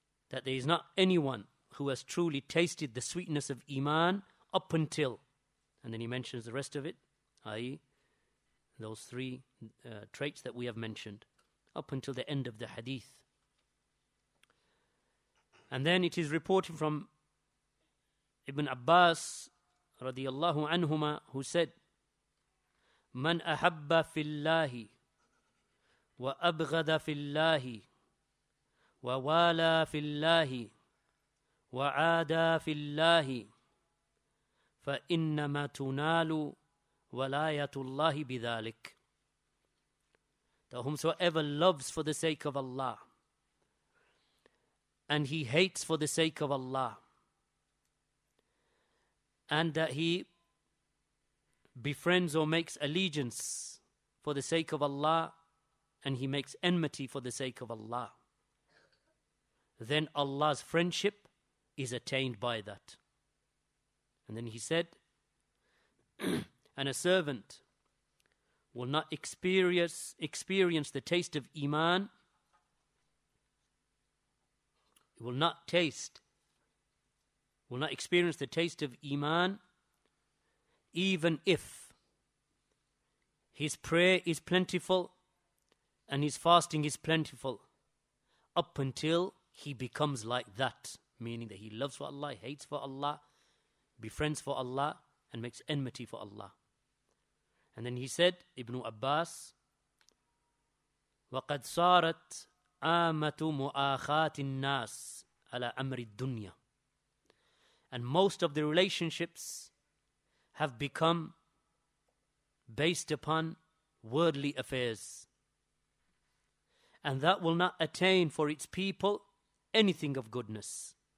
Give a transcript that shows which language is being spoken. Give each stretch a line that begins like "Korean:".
English: That there is not anyone who has truly tasted the sweetness of Iman up until, and then he mentions the rest of it, i.e. those three traits that we have mentioned, up until the end of the hadith. And then it is reported from Ibn Abbas radiallahu anhuma, who said,
Arabic: مَنْ أَحَبَّ فِي اللَّهِ وَأَبْغَدَ فِي اللَّهِ وَوَالَى فِي اللَّهِ وَعَادَى فِي اللَّهِ فَإِنَّمَا تُنَالُ وَلَايَةُ اللَّهِ بِذَلِكَ.
English: That whomsoever loves for the sake of Allah and he hates for the sake of Allah, and that he befriends or makes allegiance for the sake of Allah and he makes enmity for the sake of Allah, then Allah's friendship is attained by that. And then he said, and a servant will not experience the taste of Iman, will not experience the taste of Iman even if his prayer is plentiful and his fasting is plentiful up until he becomes like that. Meaning that he loves for Allah, hates for Allah, befriends for Allah, and makes enmity for Allah. And then he said, Ibn Abbas,
Arabic: وَقَدْ صَارَتْ آمَةُ مُؤَاخَاتِ النَّاسِ عَلَىٰ أَمْرِ الدُّنْيَا.
English: And most of the relationships have become based upon worldly affairs. And that will not attain for its people anything of goodness.